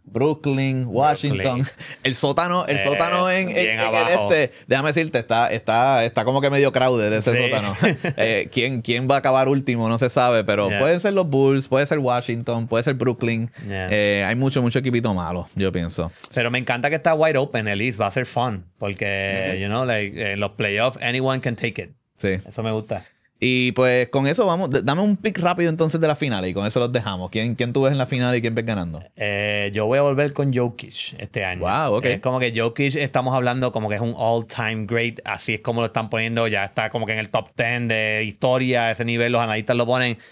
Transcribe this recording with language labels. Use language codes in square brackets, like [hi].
[es] Brooklyn, Washington. Brooklyn. El sótano en el este. Déjame decirte, está como que medio crowded ese sótano. ¿Quién va a acabar último? No se sabe, pero pueden ser los Bulls, puede ser Washington, puede ser Brooklyn. Hay mucho equipito malo, yo pienso. Pero me encanta que está wide open el East. Va a ser fun. [en] Porque, you know, like, [es] en los playoffs, [en] anyone can take it. [es] Sí. Eso me gusta. Y pues con eso vamos, dame un pick rápido entonces de la final y con eso los dejamos. ¿Quién tú ves en la final y quién ves ganando? Yo voy a volver con Jokic este año. Wow, ok. Es como que Jokic, estamos hablando como que es un all-time great, así es como lo están poniendo, ya está como que en el top 10 de historia, ese nivel, los analistas lo ponen.